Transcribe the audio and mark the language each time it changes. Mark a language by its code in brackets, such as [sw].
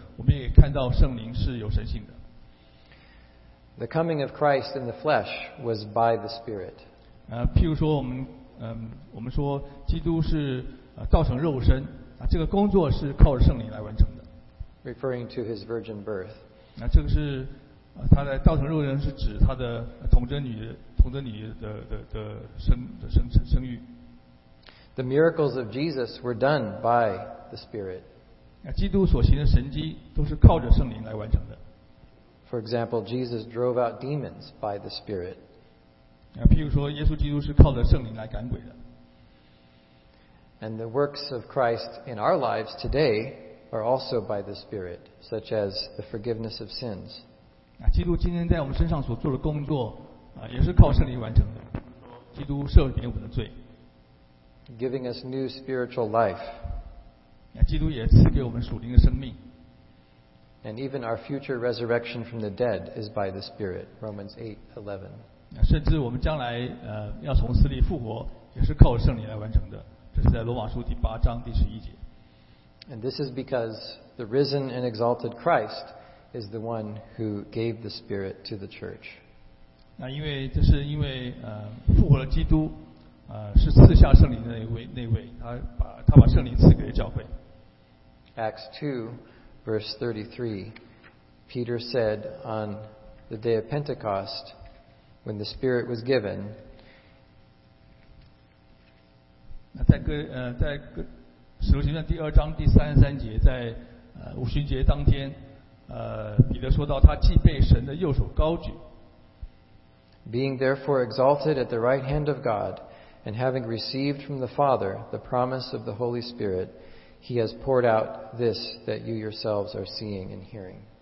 [zh] 我们也看到圣灵是有神性的。 [en] The coming of Christ in the flesh was by the Spirit. [zh] 譬如说我们说基督是道成肉身，这个工作是靠着圣灵来完成的。 [en] Referring to his virgin birth. [zh] 这个是他在道成肉身是指他的童贞女的生育。 [en] The miracles of Jesus were done by the Spirit. [zh] 基督所行的神迹都是靠着圣灵来完成的。 [en] For example, Jesus drove out demons by the Spirit. [zh] 譬如说耶稣基督是靠着圣灵来赶鬼的。 [en] And the works of Christ in our lives today are also by the Spirit, such as the forgiveness of sins. [zh] 基督今天在我们身上所做的工作，也是靠圣灵完成的。基督赦免我们的罪。 [en] Giving us new spiritual life. [zh] 基督也赐给我们属灵的生命。 [en] And even our future resurrection from the dead is by the Spirit, Romans 8:11. [zh] 甚至我们将来要从死里复活，也是靠圣灵来完成的。这是在罗马书第八章第十一节。 [en] And this is because the risen and exalted Christ is the one who gave the Spirit to the church. [zh] 因为这是因为复活的基督。是赐下圣灵的那位，他把圣灵赐给了教会。 [en] Acts 2:33, Peter said on the day of Pentecost, when the Spirit was given. [zh] 在使徒行传第二章第三十三节，在五旬节当天，彼得说到他既被神的右手高举。 [en] Being therefore exalted at the right hand of God. And having received from the Father the promise of the Holy Spirit, He has poured out this that you yourselves are seeing and hearing.